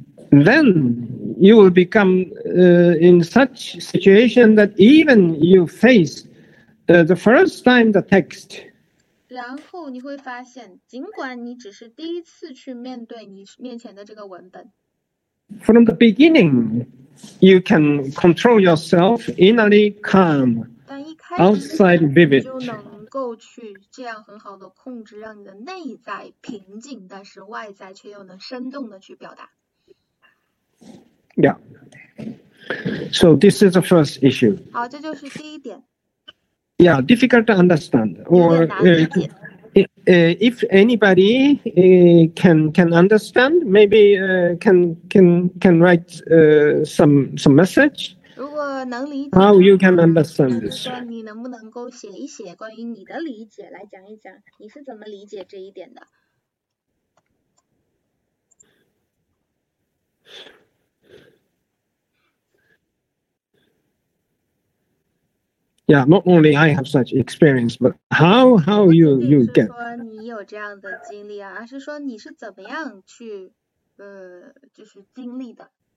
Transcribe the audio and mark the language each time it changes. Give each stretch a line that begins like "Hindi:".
English: Then you will become in such situation that even you face the first time the text.
Chinese: 然后你会发现，尽管你只是第一次去面对你面前的这个文本。
English: From the beginning, you can control yourself innerly calm, outside vivid.
Chinese: 就能够去这样很好的控制，让你的内在平静，但是外在却又能生动的去表达。
English: Yeah. So this is the first issue.
Chinese: 好，这就是第一点。
English: Yeah, difficult to understand. Or if anybody can understand, maybe can write some message.
Chinese: 如果能理解。
English: How you can understand this?
Chinese: 你能不能够写一写关于你的理解，来讲一讲你是怎么理解这一点的？
English: Yeah, not only I have such experience, but how you get?
Chinese: 不仅是说你有这样的经历啊，而是说你是怎么样去，就是经历的。